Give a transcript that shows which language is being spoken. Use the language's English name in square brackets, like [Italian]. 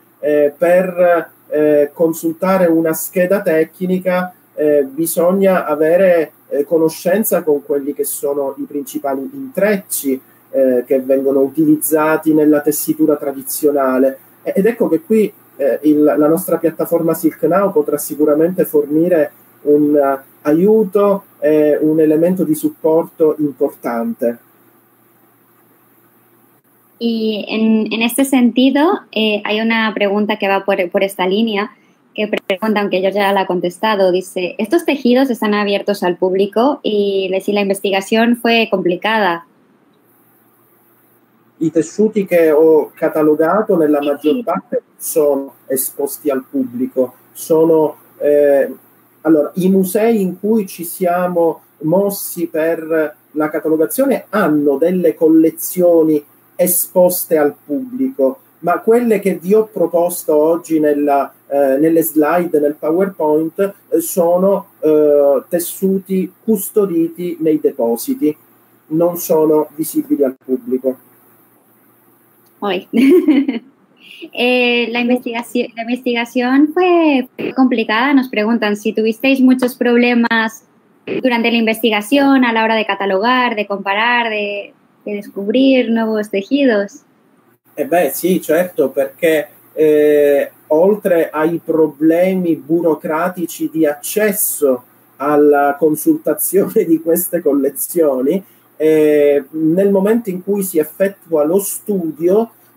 [Italian] Per consultare una scheda tecnica bisogna avere conoscenza con quelli che sono i principali intrecci che vengono utilizzati nella tessitura tradizionale. Ed ecco che qui la nostra piattaforma Silk Now potrà sicuramente fornire un aiuto e un elemento di supporto importante. [Spanish] Y en este sentido, hay una pregunta que va por esta línea, que pregunta, aunque yo ya la he contestado, dice, ¿estos tejidos están abiertos al público? Y si la investigación fue complicada. [Italian] I tessuti che ho catalogato nella maggior parte sono esposti al pubblico. Sono allora, i musei in cui ci siamo mossi per la catalogazione hanno delle collezioni esposte al pubblico, ma quelle che vi ho proposto oggi nelle slide, nel PowerPoint, sono tessuti custoditi nei depositi, non sono visibili al pubblico. [Spanish] Hoy. la investigación fue complicada, nos preguntan si tuvisteis muchos problemas durante la investigación a la hora de catalogar, de comparar, de descubrir nuevos tejidos. [Italian] Sí, certo, porque oltre ai problemi burocratici di accesso alla consultazione di queste collezioni, nel momento in cui si effettua lo studio,